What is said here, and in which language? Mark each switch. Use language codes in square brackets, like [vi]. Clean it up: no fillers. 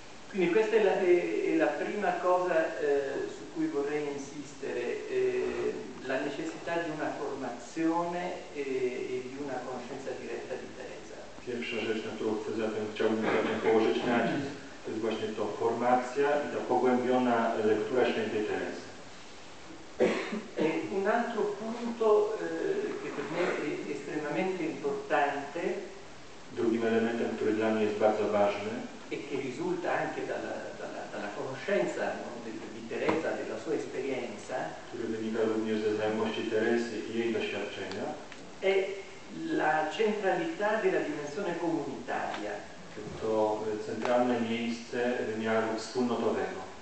[it] Quindi questa è la prima cosa su cui vorrei insistere, la necessità di una formazione e di una conoscenza diretta di Teresa. [pl] Pierwsza rzecz, na którą chcę zatem położyć nacisk, to jest właśnie to formacja i ta pogłębiona lektura świętej Teresy. [it] E un altro punto che per me è estremamente importante. [pl] Drugim elementem, który dla mnie jest bardzo ważny, [it] e che risulta anche dalla conoscenza, no, di Teresa, della sua esperienza, [pl] che wynika również ze znajomości Teresy i jej doświadczenia, [it] è la centralità della dimensione comunitaria. [pl] To centralne miejsce wymiaru wspólnotowego.